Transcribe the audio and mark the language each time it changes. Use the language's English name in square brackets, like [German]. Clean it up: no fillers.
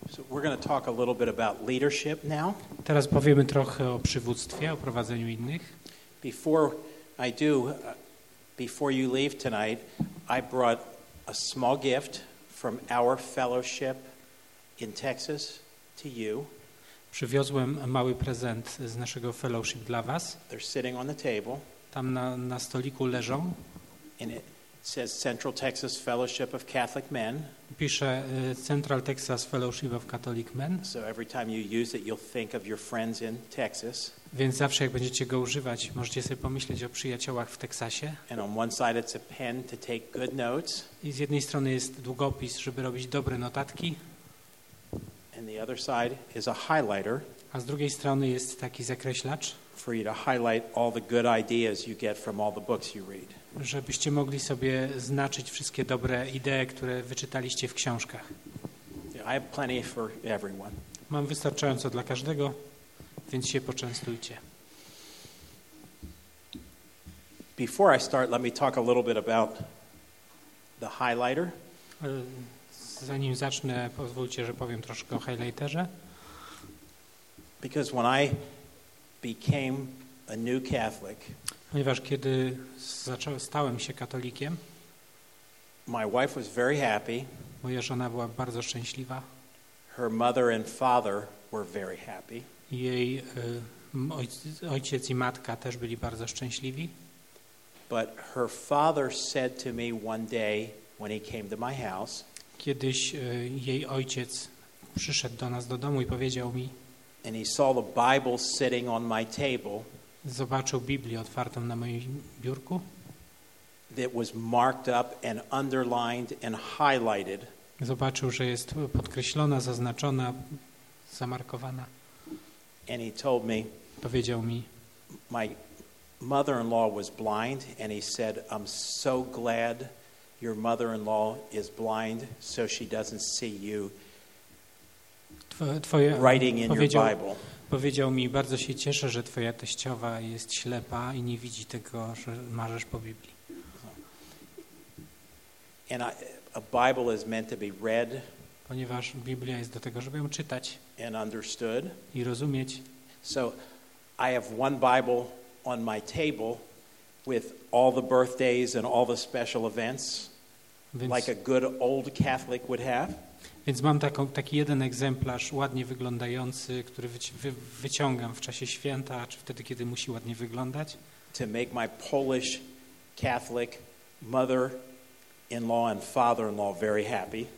[English] we're going to talk a little bit about leadership now. [Polish] Teraz powiemy trochę o przywództwie, o prowadzeniu innych. [English] Before I do, before you leave tonight, I brought a small gift from our fellowship in Texas to you. [Polish] Przywiozłem mały prezent z naszego fellowship dla was. [English] They're sitting on the table. [Polish] Tam na stoliku leżą. [English] And it says Central Texas Fellowship of Catholic Men. [Polish] Pisze Central Texas Fellowship of Catholic Men. [English] So every time you use it, you'll think of your friends in Texas. [Polish] Więc zawsze jak będziecie go używać, możecie sobie pomyśleć o przyjaciołach w Teksasie. [English] And on one side it's a pen to take good notes. [Polish] I z jednej strony jest długopis, żeby robić dobre notatki. [English] And the other side is a highlighter. [Polish] A z drugiej strony jest taki zakreślacz. [English] For you to highlight all the good ideas you get from all the books you read. [Polish] Żebyście mogli sobie znaczyć wszystkie dobre idee, które wyczytaliście w książkach. [English] I have plenty for everyone. [Polish] Mam wystarczająco dla każdego, więc się poczęstujcie. [English] Before I start, let me talk a little bit about the highlighter. [Polish] Zanim zacznę, pozwólcie, że powiem troszkę o highlighterze. [English] Because when I became a new Catholic, [Polish] ponieważ kiedy stałem się katolikiem, [English] my wife was very happy. [Polish] Moja żona była bardzo szczęśliwa. [English] Her mother and father were very happy. [Polish] Jej ojciec i matka też byli bardzo szczęśliwi. [English] But her father said to me one day when he came to my house. [Polish] Kiedyś jej ojciec przyszedł do nas do domu i powiedział mi. [English] And he saw the Bible sitting on my table. [Polish] Zobaczył Biblię otwartą na moim biurku. [English] That was marked up and underlined and highlighted. [Polish] Zobaczył, że jest podkreślona, zaznaczona, zamarkowana. [English] And he told me. [Polish] Powiedział mi. [English] My mother-in-law was blind, and he said, "I'm so glad your mother-in-law is blind, so she doesn't see you writing in your Bible." [Polish] Powiedział mi, bardzo się cieszę, że twoja teściowa jest ślepa i nie widzi tego, że marzysz po Biblii. [English] And a Bible is meant to be read. [Polish] Ponieważ Biblia jest do tego, żeby ją czytać. [English] And understood. [Polish] I rozumieć. [English] So I have one Bible on my table with all the birthdays and all the special events, [Polish] więc, [English] like a good old Catholic would have. [Polish] Więc mam taki jeden egzemplarz, ładnie wyglądający, który wyciągam w czasie święta, czy wtedy, kiedy musi ładnie wyglądać. [English] To make my Polish Catholic mother-in-law and father-in-law very happy.